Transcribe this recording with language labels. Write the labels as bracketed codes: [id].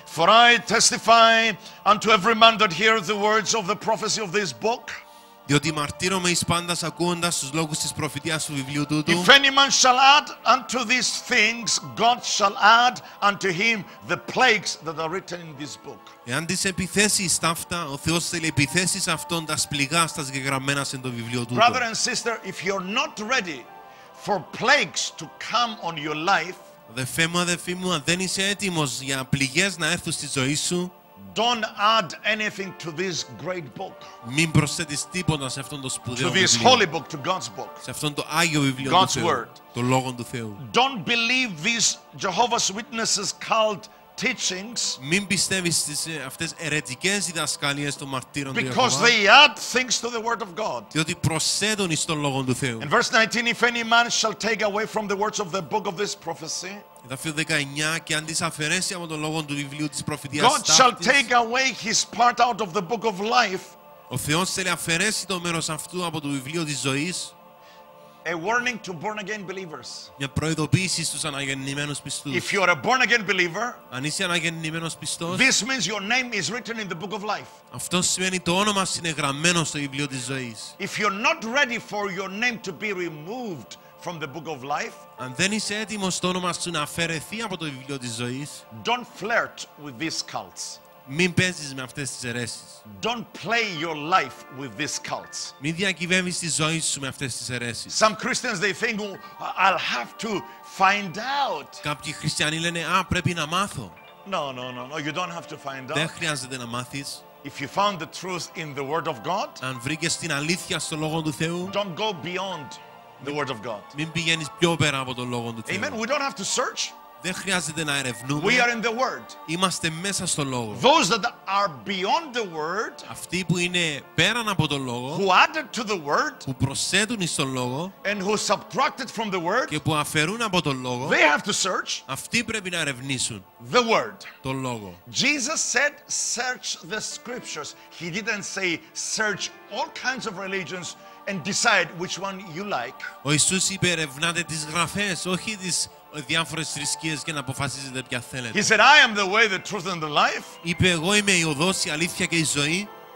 [en] For I testify unto every man that heareth the words of the prophecy of this book. [el] Διότι μαρτύρομαι εις πάντας ακούοντας τους λόγους της προφητείας του βιβλίου τούτου. [en] If any man shall add unto these things, God shall add unto him the plagues that are written in this book. [el] Εάν τις επιθέσεις ταύτα, ο Θεός θέλει επιθέσεις αυτών τας πληγάς τας γεγραμμένας εν το βιβλίο τούτου. [en] Brother and sister, if you're not ready for plagues to come on your life. [el] Αδελφέ μου, αδελφή μου, αν δεν είσαι έτοιμος για πληγές να έρθουν στη ζωή σου. [en] Don't add anything to this great book. [el] Μην προσθέτεις τίποτα σε αυτόν τον σπουδαίο βιβλίο. [en] To this holy book, to God's book. [el] Σε αυτόν τον άγιο βιβλίο [en] God's word. [el] Το λόγον του Θεού. [en] Don't believe these Jehovah's Witnesses cult teachings. [el] Μην πιστεύεις στις αυτές αιρετικές διδασκαλίες των μαρτύρων. [en] Because they add things to the word of God. [el] Διότι προσθέτουν εις τον λόγο του Θεού. [en] In verse 19, if any man shall take away from the words of the book of this prophecy. [el] Εδάφιο 19 και αν τις αφαιρέσει από τον λόγο του βιβλίου της προφητείας. [en] God shall take away his part out of the book of life. [el] Ο Θεός θέλει αφαιρέσει το μέρος αυτού από το βιβλίο της ζωής. [en] A warning to born again believers. [el] Μια προειδοποίηση στους αναγεννημένους πιστούς. [en] If you are a born again believer, [el] αν είσαι αναγεννημένος πιστός, [en] this means your name is written in the book of life. [el] Αυτό σημαίνει το όνομα σου είναι γραμμένο στο βιβλίο της ζωής. [en] If you're not ready for your name to be removed from the book of life, [el] αν δεν είσαι έτοιμος το όνομα σου να αφαιρεθεί από το βιβλίο της ζωής, [en] don't flirt with these cults. [el] Μην παίζεις με αυτές τις αιρέσεις. [en] Don't play your life with these cults. [el] Μην διακυβεύεις τη ζωή σου με αυτές τις αιρέσεις. [en] Some Christians they think, I'll have to find out. [el] Κάποιοι χριστιανοί λένε, α, πρέπει να μάθω. [en] No, you don't have to find out. [el] Δεν χρειάζεται να μάθεις. [en] If you found the truth in the Word of God, [el] αν βρήκες την αλήθεια στο λόγο του Θεού, [en] don't go beyond the Word of God. [el] Μην πηγαίνεις πιο πέρα από το λόγο του Θεού. [en] Amen. We don't have to search. [el] Δεν χρειάζεται να ερευνούμε. [en] We are in the word. [el] Είμαστε μέσα στο λόγο. [en] Those that are beyond the word, [el] αυτοί που είναι πέραν από το λόγο, [en] who added to the word, [el] που προσθέτουν εις τον λόγο, [en] and who subtracted from the word, [el] και που αφαιρούν από το λόγο, [en] they have to search, [el] αυτοί πρέπει να ερευνήσουν [en] the word, [el] το λόγο. [en] Jesus said, search the scriptures. He didn't say, search all kinds of religions and decide which one you like. [el] Ο Ιησούς είπε, ερευνάτε τις γραφές, όχι τις διάφορες θρησκείες και να αποφασίζετε ποια θέλετε. [en] He said, I am the way, the truth and the life. [el] Είπε, εγώ είμαι η οδός, η αλήθεια και η ζωή.